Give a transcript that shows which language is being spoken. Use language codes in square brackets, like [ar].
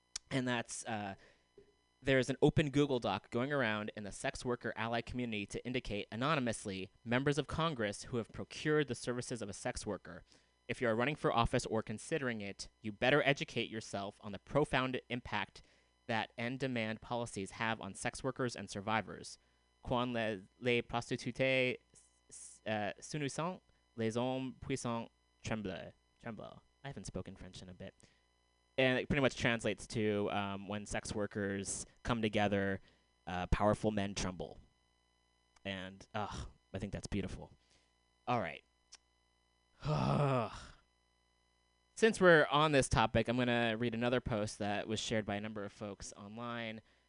[en] And that's, there's an open Google Doc going around in the sex worker ally community to indicate anonymously members of Congress who have procured the services of a sex worker. If you are running for office or considering it, you better educate yourself on the profound impact that end demand policies have on sex workers and survivors. [fr] Quand les prostituées s'unissent, les hommes puissants tremblent. [en] I haven't spoken French in a bit. And it pretty much translates to when sex workers come together, powerful men tremble. And I think that's beautiful. All right. Since we're on this topic, I'm going to read another post that was shared by a number of folks online.